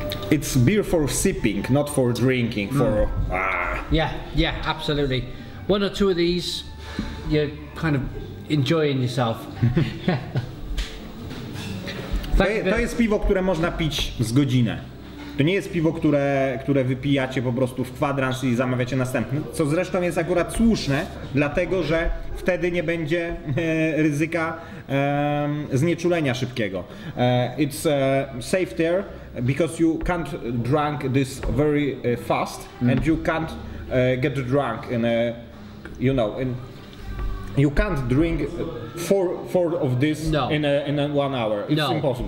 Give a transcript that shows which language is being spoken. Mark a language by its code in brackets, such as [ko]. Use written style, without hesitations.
[en] It's beer for sipping, not for drinking. Yeah, absolutely. One or two of these, you're kind of enjoying yourself. [pl] To jest piwo, które można pić z godzinę. To nie jest piwo, które wypijacie po prostu w kwadrans i zamawiacie następne. Co zresztą jest akurat słuszne, dlatego że wtedy nie będzie ryzyka znieczulenia szybkiego. [en] It's safe there because you can't drink this very fast and you can't get drunk in a, you know, in you can't drink four of this in a 1 hour. It's impossible.